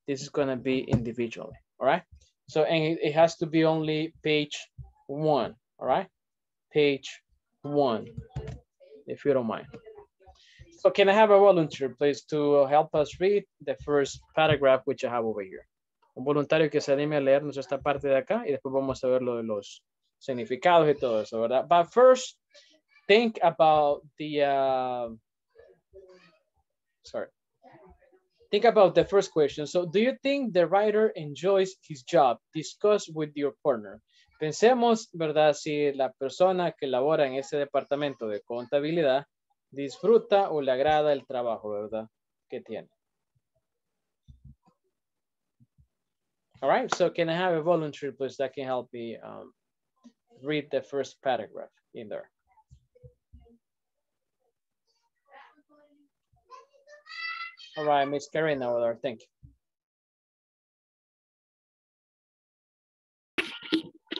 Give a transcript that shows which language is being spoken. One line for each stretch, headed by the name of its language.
English: This is gonna be individual, all right? So, and it has to be only page one, all right? Page one, if you don't mind. So can I have a volunteer, please, to help us read the first paragraph, which I have over here.
Spanish: Un voluntario que se anime a leernos esta parte de acá y después vamos a ver lo de los significados y todo eso, ¿verdad?
English: But first, think about the, think about the first question. So do you think the writer enjoys his job? Discuss with your partner.
Spanish: Pensemos, ¿verdad? Si la persona que labora en ese departamento de contabilidad disfruta o le agrada el trabajo, ¿verdad? Que tiene.
English: All right, so can I have a volunteer, please, that can help me read the first paragraph in there. All right, Miss Karina, over there, thank you.